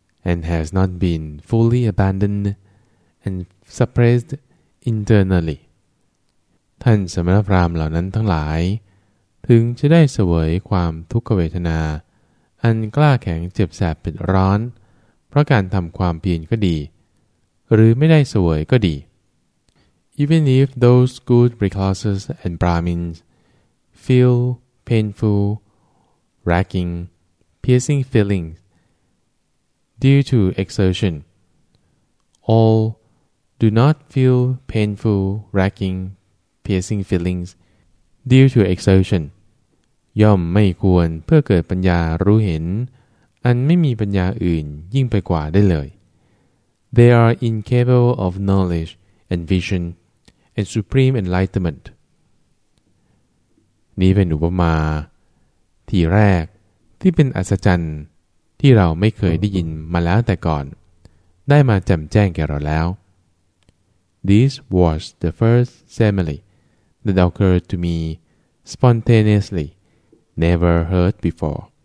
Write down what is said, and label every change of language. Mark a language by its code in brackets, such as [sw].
[en] and has not been fully abandoned and suppressedinternally [th] ท่านสมณพราหมณ์เหล่านั้นทั้งหลายถึงจะได้เสวยความทุกขเวทนาอันกล้าแข็งเจ็บแสบเป็นร้อน พราะการทำความเพียรก็ดีหรือไม่ได้เสวยก็ดี [en] Even if those good reclusives and Brahmins feel painful, racking, piercing feelings due to exertion, all do not feel painful, racking, piercing feelings due to exertion. [th] ย่อมไม่ควรเพื่อเกิดปัญญารู้เห็นอันไม่มีปัญญาอื่นยิ่งไปกว่าได้เลย [en] They are incapable of knowledge and vision and supreme enlightenment [th] นี้เป็นอุปมาที่แรกที่เป็นอัศจรรย์ที่เราไม่เคยได้ยินมาแล้วแต่ก่อนได้มาแจ่มแจ้งแก่เราแล้ว [en] This was the first simile that occurred to me spontaneouslyNever heard before.